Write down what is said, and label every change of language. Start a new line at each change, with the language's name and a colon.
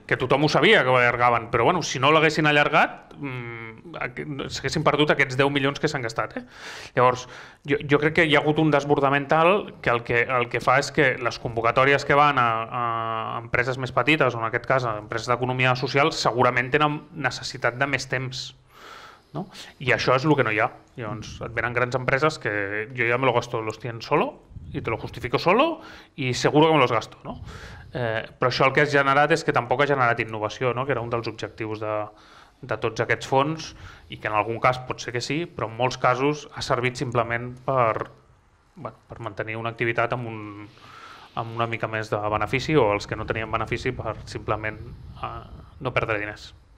Catalan: Que tothom ho sabia que ho allargaven, però bueno, si no l'haguessin allargat, s'haguessin perdut aquests 10 milions que s'han gastat. Llavors, jo crec que hi ha hagut un desbordament tal que el que fa és que les convocatòries que van a empreses més petites, o en aquest cas a empreses d'economia social, segurament tenen necessitat de més temps. No? I això és el que no hi ha. Llavors, et venen grans empreses que jo ja
Spanish: me lo gasto los 100 solo, y te lo justifico solo, y seguro que me los gasto.
Catalan: No? Però això el que has generat és que tampoc ha generat innovació, no? Que era un dels objectius de tots aquests fons, i que en algun cas pot ser que sí, però en molts casos ha servit simplement per mantenir una activitat amb una mica més de benefici, o els que no tenien benefici per simplement no perdre diners.